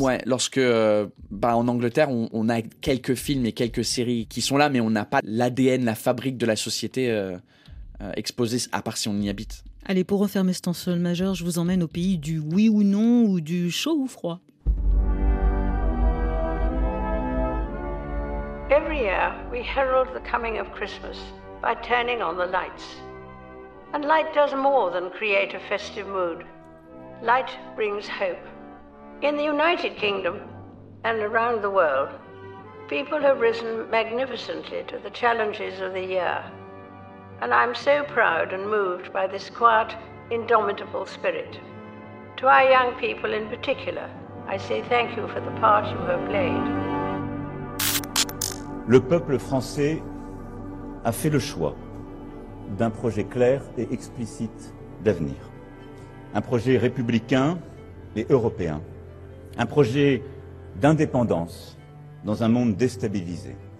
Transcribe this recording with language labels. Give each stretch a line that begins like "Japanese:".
French: Ouais, lorsque, en Angleterre, on a quelques films et quelques séries qui sont là, mais on n'a pas l'ADN, la fabrique de la société exposée, à part si on y habite. Allez, pour refermer cet ensemble majeur, je vous emmène au pays du oui ou non ou du chaud ou froid.
English: Every year, we herald the coming of Christmas by turning on the lights. And light does more than create a festive mood. Light brings hope. In the United Kingdom and around the world, people have risen magnificently to the challenges of the year. And I'm so proud and moved by this quiet, indomitable spirit. To our young people in particular, I say thank you for the part you have played.
French: Le peuple français a fait le choix d'un projet clair et explicite d'avenir. Un projet républicain et européen. Un projet d'indépendance dans un monde déstabilisé.